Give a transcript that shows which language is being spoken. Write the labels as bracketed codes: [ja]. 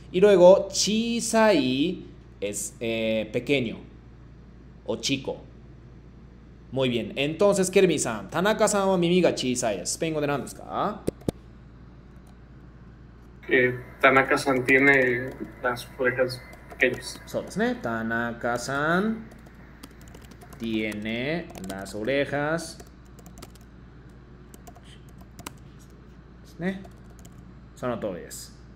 [es] Y luego 小さい es pequeño o chico. Muy bien. [ja] Entonces ケルミさん、田中さんは耳が小さいです。スペイン語で何ですか。 [es] Tanaka-san tiene las orejas pequeñas. So, ¿sí? Tanaka-san tiene las orejas. ¿Sí? Son notorias.